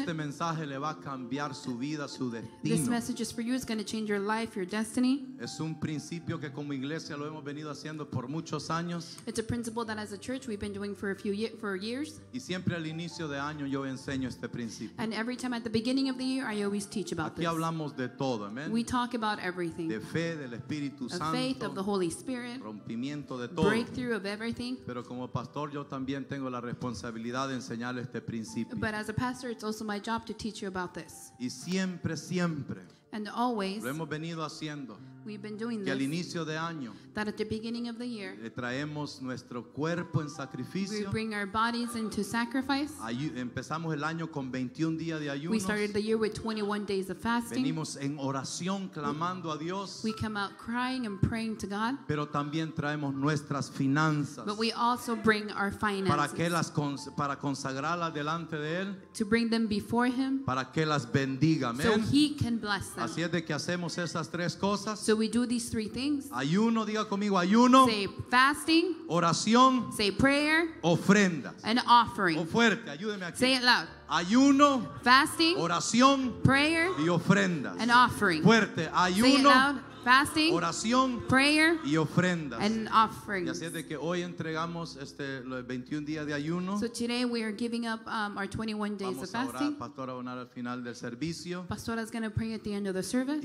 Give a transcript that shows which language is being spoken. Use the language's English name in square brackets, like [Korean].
[Spanish] Este mensaje le va a cambiar su vida, su destino. [English] This message is for you, it's going to change your life, your destiny. [Spanish] Es un principio que como iglesia lo hemos venido haciendo por muchos años. [English] It's a principle that as a church we've been doing for years. [Spanish] Y siempre al inicio de año yo enseño este principio. [English] And every time at the beginning of the year I always teach about [Spanish] aquí [English] this. [Spanish] Aquí hablamos de todo, amen. [English] We talk about everything. [Spanish] De fe, del Espíritu [English] of [Spanish] Santo. [English] Faith, of the Holy Spirit. [Spanish] Rompimiento de todo. [English] Breakthrough of everything. [Spanish] Pero como pastor yo también tengo la responsabilidad de enseñar este principio. [English] But as a pastor it's also my job to teach you about this. [Spanish] Y siempre. [English] And always. [Spanish] Lo hemos venido haciendo. [English] We've been doing [Spanish] que al inicio de año. [English] That at the beginning of the year. [Spanish] Le traemos nuestro cuerpo en sacrificio. [English] We bring our bodies into sacrifice. [Spanish] Empezamos el año con 21 días de ayuno. [English] We started the year with 21 days of fasting. [Spanish] Venimos en oración clamando a Dios. [English] We come out crying and praying to God. [Spanish] Pero también traemos nuestras finanzas. [English] But we also bring our finances. [Spanish] Para que las para consagrarlas delante de él. [English] To bring them before him. [Spanish] Para que las bendiga. Amen. [English] So he can bless them. [Spanish] Así es de que hacemos esas tres cosas. [English] So we do these three things. [Spanish] Ayuno, diga conmigo, ayuno. [English] Say fasting. [Spanish] Oración. [English] Say prayer. [Spanish] Ofrendas. [English] An offering. [Spanish] O fuerte, ayúdeme aquí. [English] Say it loud. [Spanish] Ayuno. [English] Fasting. [Spanish] Oración. [English] Prayer. [Spanish] Y ofrendas. [English] An offering. [Spanish] Fuerte, ayuno. [English] Say it loud. Fasting. [Spanish] Oración. [English] Prayer. [Spanish] Y ofrendas. [English] An offering. [Spanish] Y así es de que hoy entregamos los 21 días de ayuno. [English] So today we are giving up our 21 days [Spanish] vamos [English] of fasting. [Spanish] Vamos a orar, pastora, al final del servicio. [English] Pastora is going to pray at the end of the service.